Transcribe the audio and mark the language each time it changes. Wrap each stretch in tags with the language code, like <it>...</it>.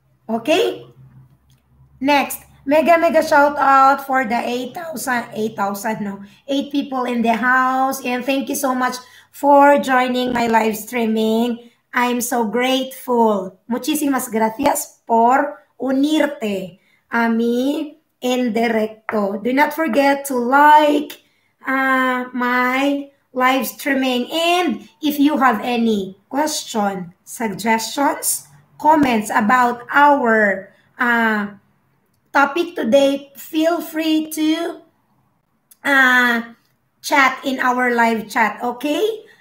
<en>Okay? Next, mega, mega shout out for the 8 people in the house. And thank you so much for joining my live streaming. I'm so grateful.</en> <es>Muchísimas gracias por unirte a mí en directo.</es> <en>Do not forget to like my live streaming. And if you have any question, suggestions, comments about our topic today, feel free to chat in our live chat, okay?</en>